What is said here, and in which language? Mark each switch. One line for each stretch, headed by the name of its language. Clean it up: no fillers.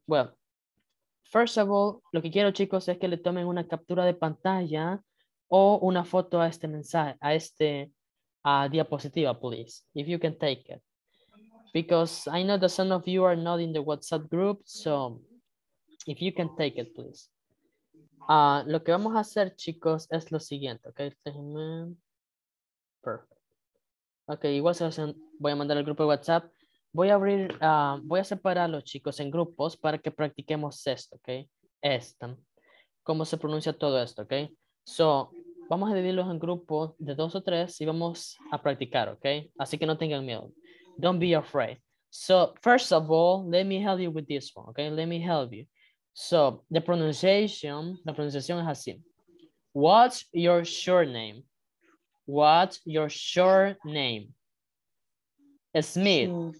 Spanish: Well, first of all, lo que quiero, chicos, es que le tomen una captura de pantalla o una foto a este mensaje, a este diapositiva,
English: please, if you can take it. Because I know that some of you are not in the WhatsApp group, so if you can take it, please.
Spanish: Lo que vamos a hacer, chicos, es lo siguiente, ¿ok? Déjenme. Perfect. Ok, igual se hacen, voy a mandar al grupo de WhatsApp. Voy a abrir, voy a separarlos, chicos, en grupos para que practiquemos esto, ¿ok? Esto. ¿Cómo se pronuncia todo esto, ok? So, vamos a dividirlos en grupos de dos o tres y vamos a practicar, ¿ok? Así que no tengan miedo.
English: Don't be afraid. So, first of all, let me help you with this one, okay? Let me help you. So, the pronunciation is así. What's your surname? What's your surname? Smith.